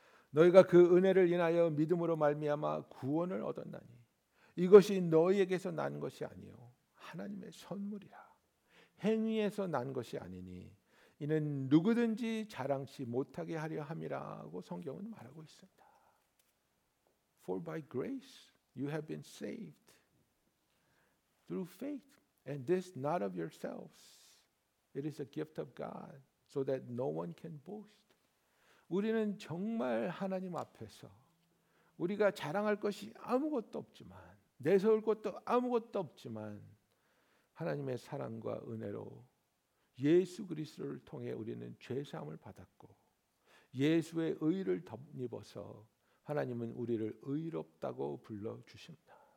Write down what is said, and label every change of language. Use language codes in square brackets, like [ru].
[ko] 너희가 그 은혜를 인하여 믿음으로 말미암아 구원을 얻었나니 이것이 너희에게서 난 것이 아니요 하나님의 선물이라. 행위에서 난 것이 아니니 이는 누구든지 자랑치 못하게 하려 함이라고 성경은 말하고 있습니다. [en] For by grace you have been saved through faith, and this not of yourselves. It is a gift of God so that no one can boast. [ko] 우리는 정말 하나님 앞에서 우리가 자랑할 것이 아무것도 없지만, 내세울 것도 아무것도 없지만 하나님의 사랑과 은혜로 예수 그리스도를 통해 우리는 죄사함을 받았고 예수의 의를 덧입어서 하나님은 우리를 의롭다고 불러주십니다.